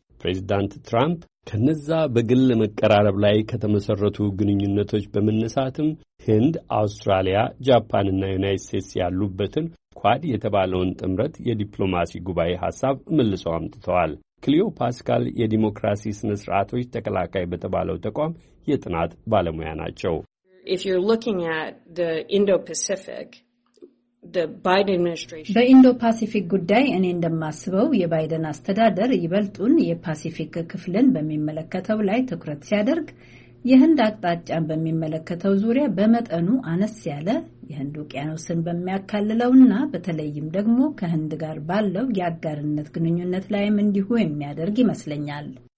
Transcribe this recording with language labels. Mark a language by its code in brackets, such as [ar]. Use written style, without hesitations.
[am] ፕሬዚዳንት ትራምፕ ከነዛ በግል መቀራረብ ላይ ከተመሰረቱ ግንኙነቶች በመነሳትም ህንድ፣ አውስትራሊያ፣ ጃፓን እና ዩናይት ስቴትስ ያሉበትን ኳድ የተባለውን ጥምረት የዲፕሎማሲ ጉባኤ ሐሳብ መልሰው አምጥተዋል። ክሊዮ ፓስካል የዲሞክራሲ ስነ ስርዓቶች ተከላካይ በተባለው ተቋም የጥናት ባለሙያ ናቸው። [en] If you're looking at the Indo-Pacific, the Biden administration [am] በኢንዶ-ፓሲፊክ ጉዳይ እኔ እንደማስበው የባይደን አስተዳደር ይበልጡን የፓሲፊክ ክፍልን በሚመለከተው ላይ ትኩረት ሲያደርግ፣ የህንድ አቅጣጫን በሚመለከተው ዙሪያ በመጠኑ አነስ ያለ የህንድ ውቅያኖስን በሚያካልለውና በተለይም ደግሞ ከህንድ ጋር ባለው የአጋርነት ግንኙነት ላይም እንዲሁ የሚያደርግ ይመስለኛል።